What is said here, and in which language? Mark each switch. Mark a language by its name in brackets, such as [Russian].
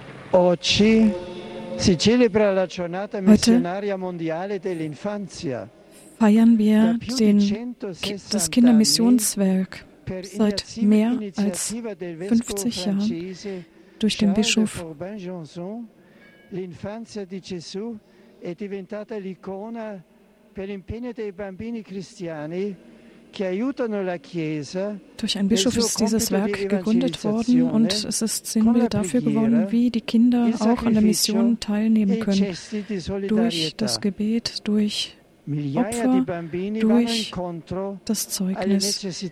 [Italian] Oggi si celebra la giornata missionaria mondiale dell'infanzia. [German] Feiern wir das Kindermissionswerk seit mehr als 50 Jahren durch den Bischof Urbain Janson. [Italian] L'infanzia di Gesù è diventata l'icona per l'impegno dei bambini cristiani. [German] Durch einen Bischof ist dieses Werk gegründet worden und es ist Sinnbild dafür geworden, wie die Kinder auch an der Mission teilnehmen können. Durch das Gebet, durch Opfer, durch das Zeugnis.